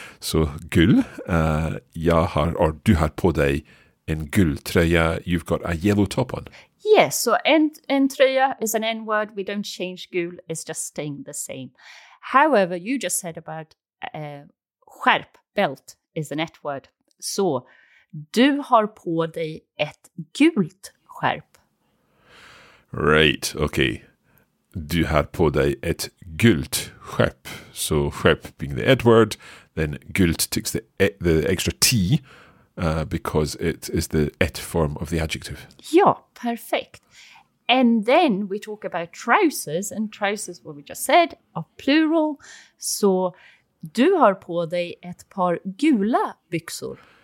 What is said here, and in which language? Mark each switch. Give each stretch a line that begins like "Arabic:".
Swedish: So gul, jag har, or du har på dig en gul tröja,
English: you've got a yellow top on. Yes, so en tröja is an N word. We don't change gul, it's just staying the same. However, you just said about skärp, belt, is an ett word.
Swedish: So, du har på dig ett gult skärp.
English: Right, okay.
Swedish: Du har på dig ett gult skärp.
English: So, skärp being the ett word, then gult takes the extra T because it is the ett form of the adjective.
Swedish: Ja, perfekt.
English: And then we talk about trousers, and trousers, what we just said, are plural.
Swedish: So, du har på dig ett par gula byxor.